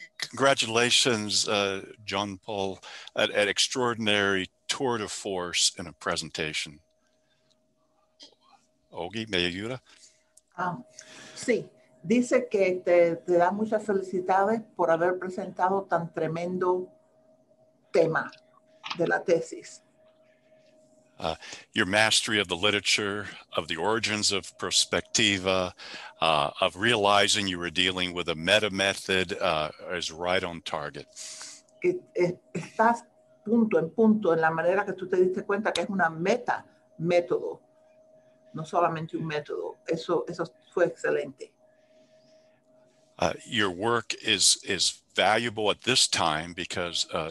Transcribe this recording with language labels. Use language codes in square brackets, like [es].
[en] Congratulations, John Paul, at an extraordinary tour de force in a presentation. [es] Ogi, ¿me ayuda? Sí. Dice que te da muchas felicidades por haber presentado tan tremendo tema de la tesis. [en] Your mastery of the literature, of the origins of perspectiva, of realizing you were dealing with a meta method, is right on target. [es] Estás punto en punto en la manera que tú te diste cuenta que es una meta método, no solamente un método. Eso fue excelente. [en] Your work is valuable at this time because